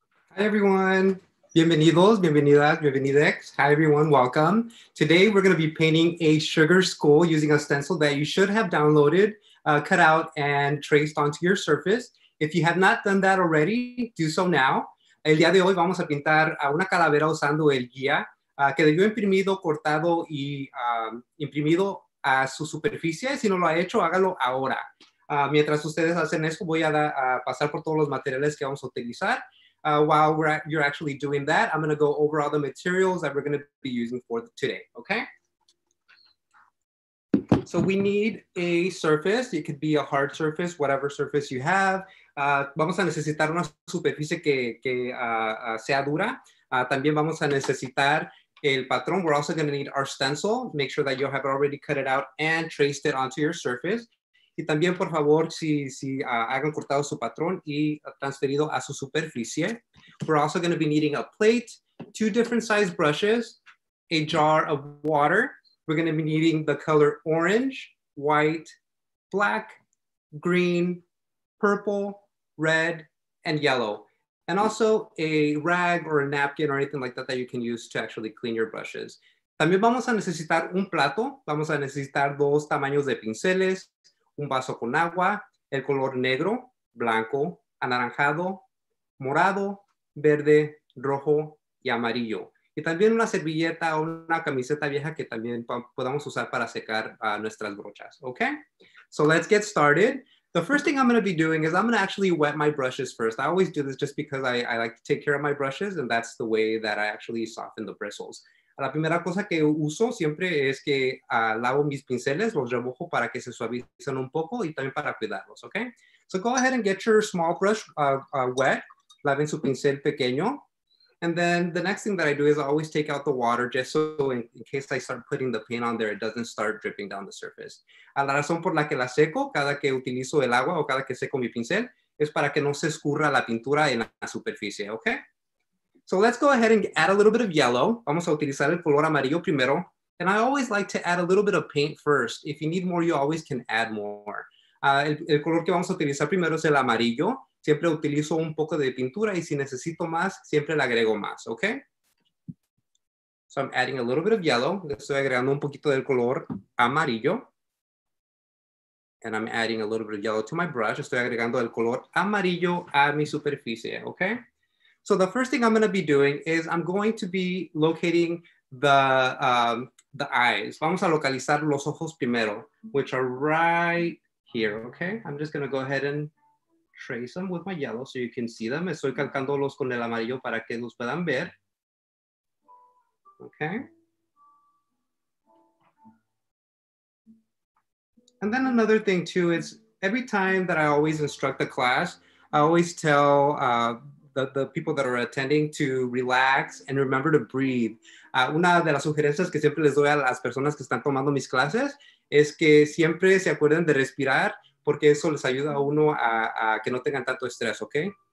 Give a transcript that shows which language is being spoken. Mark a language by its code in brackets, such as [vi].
[en] Hi, everyone. [es] Bienvenidos, bienvenidas, bienvenidex. [en] Hi, everyone. Welcome. Today, we're going to be painting a sugar skull using a stencil that you should have downloaded, cut out, and traced onto your surface. If you have not done that already, do so now. [es] El día de hoy vamos a pintar a una calavera usando el guía que debió imprimido, cortado y imprimido a su superficie. Si no lo ha hecho, hágalo ahora. Mientras ustedes hacen eso, voy a pasar por todos los materiales que vamos a utilizar. [en] While you're actually doing that, I'm going to go over all the materials that we're going to be using for today, okay? So we need a surface. It could be a hard surface, whatever surface you have. [es] Vamos a necesitar una superficie que sea dura. También vamos a necesitar el patrón. [en] We're also going to need our stencil. Make sure that you have already cut it out and traced it onto your surface. [es] Y también, por favor, si hagan cortado su patrón y transferido a su superficie. [en] We're also going to be needing a plate, two different size brushes, a jar of water. We're going to be needing the color orange, white, black, green, purple, red, and yellow. And also a rag or a napkin or anything like that that you can use to actually clean your brushes. [es] También vamos a necesitar un plato. Vamos a necesitar dos tamaños de pinceles, un vaso con agua, el color negro, blanco, anaranjado, morado, verde, rojo, y amarillo. Y también una servilleta o una camiseta vieja que también podamos usar para secar nuestras brochas, okay? [en] So let's get started. The first thing I'm gonna be doing is I'm gonna actually wet my brushes first. I always do this just because I like to take care of my brushes and that's the way that I actually soften the bristles. [es] La primera cosa que uso siempre es que lavo mis pinceles, los remojo para que se suavicen un poco y también para cuidarlos, okay? [en] So go ahead and get your small brush wet. [es] Laven su pincel pequeño. [en] And then the next thing that I do is I always take out the water just so in case I start putting the paint on there, it doesn't start dripping down the surface. [es] La razón por la que la seco, cada que utilizo el agua o cada que seco mi pincel, es para que no se escurra la pintura en la superficie, okay? [en] So let's go ahead and add a little bit of yellow. [es] Vamos a utilizar el color amarillo primero. [en] And I always like to add a little bit of paint first. If you need more, you always can add more. [es] El color que vamos a utilizar primero es el amarillo. Siempre utilizo un poco de pintura y si necesito más, siempre le agrego más, okay? [en] So I'm adding a little bit of yellow. [es] Le estoy agregando un poquito del color amarillo. [en] And I'm adding a little bit of yellow to my brush. [es] Estoy agregando el color amarillo a mi superficie, [en] okay? So the first thing I'm gonna be doing is I'm going to be locating the eyes. [es] Vamos a localizar los ojos primero, [en] which are right here, [es] okay? [en] I'm just gonna go ahead and trace them with my yellow so you can see them. [es] Estoy calcándolos con el amarillo para que los puedan ver. [en] Okay. And then another thing too is every time that I always instruct the class, I always tell the people that are attending to relax and remember to breathe. [es] Una de las sugerencias que siempre les doy a las personas que están tomando mis clases es que siempre se acuerden de respirar porque eso les ayuda a uno a que no tengan tanto estrés, okay?